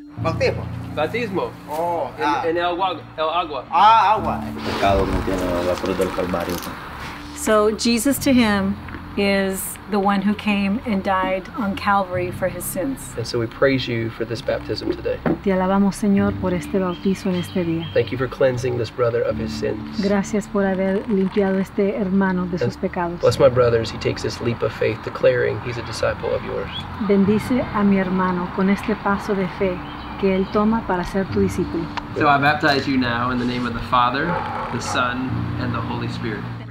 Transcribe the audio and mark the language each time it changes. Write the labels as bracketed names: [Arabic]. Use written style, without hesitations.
[Spanish] Bautismo. Oh, en el agua. [English] So Jesus to him is the one who came and died on Calvary for his sins. And so we praise you for this baptism today. [Spanish] Te alabamos, Señor, por este bautizo en este día. [English] Thank you for cleansing this brother of his sins. [Spanish] Gracias por haber limpiado este hermano de sus pecados. [English] Bless my brother as he takes this leap of faith, declaring he's a disciple of yours. [Spanish] Bendice a mi hermano con este paso de fe que él toma para ser tu discípulo. [English] So I baptize you now in the name of the Father, the Son, and the Holy Spirit.